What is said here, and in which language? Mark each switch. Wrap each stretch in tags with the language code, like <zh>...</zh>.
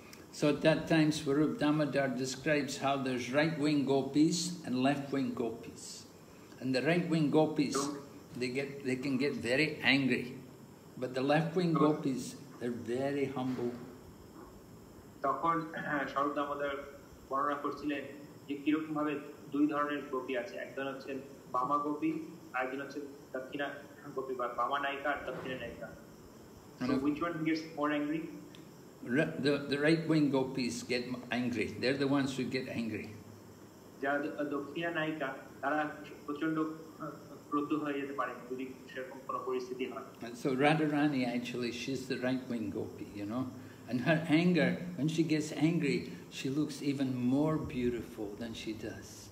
<en>So at that time, Swarup Damodar describes how there's right-wing gopis and left-wing gopis. And the right-wing gopis, they can get very angry. But the left-wing gopis, they're very humble.</en> <bn>তখন শরদ আমাদের বর্ণনা করছিলেন যে কিরকম ভাবে দুই ধরনের গোপী আছে, একজন হচ্ছেন বামা গোপী আর একজন হচ্ছে দক্ষিণা গোপী বা বামা নায়িকা আর দক্ষিণা নায়িকা।</bn> <en>So which one gets more angry? The right wing gopis get angry. They're the ones who get angry.</en> <bn>যারা দক্ষিণা নায়িকা তারা প্রচন্ড ক্রোধ হয়ে যেতে পারে যদি সেরকম কোনো পরিস্থিতি হয়।</bn> <en>So Radharani, actually she's the right wing gopi, you know. And her anger, when she gets angry, she looks even more beautiful than she does.</en>